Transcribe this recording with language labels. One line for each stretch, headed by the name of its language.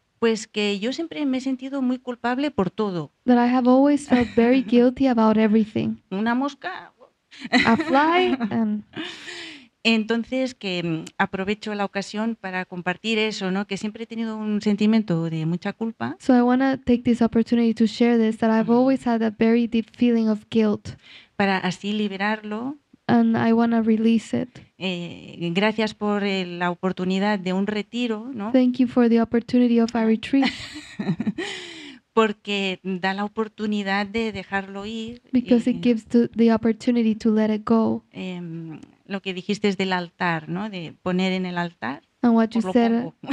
Spanish: Pues que yo siempre me he sentido muy culpable por todo.
English: That I have always felt very guilty about everything.
Spanish: Una mosca.
English: A fly. And...
Spanish: Entonces que aprovecho la ocasión para compartir eso, ¿no? Que siempre he tenido un sentimiento de mucha culpa.
English: So I want to take this opportunity to share this, that I've always had a very deep feeling of guilt.
Spanish: Para así liberarlo.
English: And I want to release it.
Spanish: Gracias por la oportunidad de un retiro, ¿no?
English: Thank you for the opportunity of a retreat.
Spanish: Porque da la oportunidad de dejarlo ir.
English: Because it gives the opportunity to let it go.
Spanish: Lo que dijiste es del altar, ¿no? De poner en el altar.
English: And what you said.